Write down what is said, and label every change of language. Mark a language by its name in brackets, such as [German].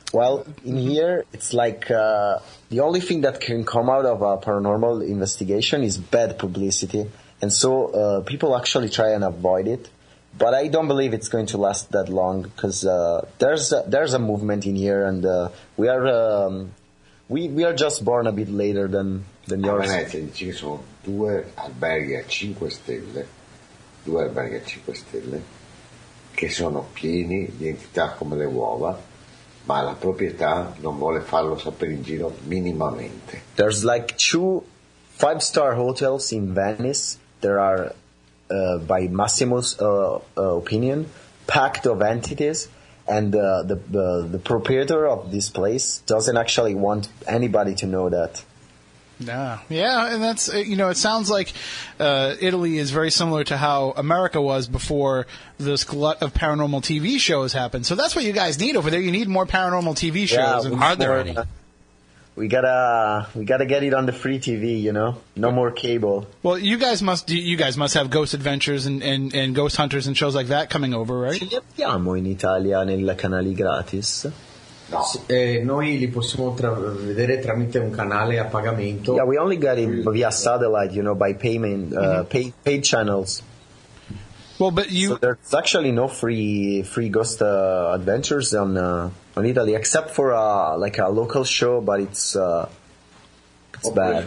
[English] Well, in here, it's like the only thing that can come out of a paranormal investigation is bad publicity. And so people actually try and avoid it. But I don't believe it's going to last that long because there's a movement in here, and we are just born a bit later than yours. [Italian] A Venezia dice che sono due alberghi a 5 stelle, due alberghi a 5 stelle, che sono pieni di entità come le uova, ma la proprietà non vuole farlo sapere in giro minimamente. [English] There's like 2 5-star hotels in Venice. There are, by Massimo's opinion, packed of entities, and the proprietor of this place doesn't actually want anybody to know that. Yeah, and that's, you know, it sounds like Italy is very similar to how America was before this glut of paranormal TV shows happened. So that's what you guys need over there. You need more paranormal TV shows. Yeah, are there any? We gotta get it on the free TV, you know? No more cable. Well, you guys must have Ghost Adventures and Ghost Hunters and shows like that coming over, right? [Italian] Ce li abbiamo in Italia nei canali gratis. No. Noi li possiamo vedere tramite un canale a pagamento. [English] Yeah, we only got it via satellite, you know, by payment, paid channels. Well, but you... So there's actually no free Ghost Adventures on Italy, except for like a local show, but it's bad.